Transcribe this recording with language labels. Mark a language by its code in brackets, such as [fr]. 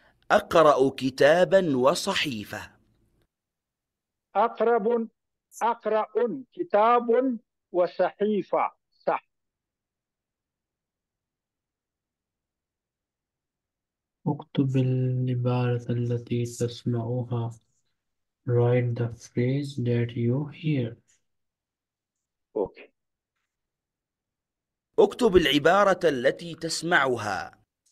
[ar] أقرأ كتابا وصحيفة. أقرأ كتاب وصحيفة صح. اكتب العبارة التي تسمعها. [en] Write the phrase that you hear. [ar] أوكي. اكتب العبارة التي تسمعها.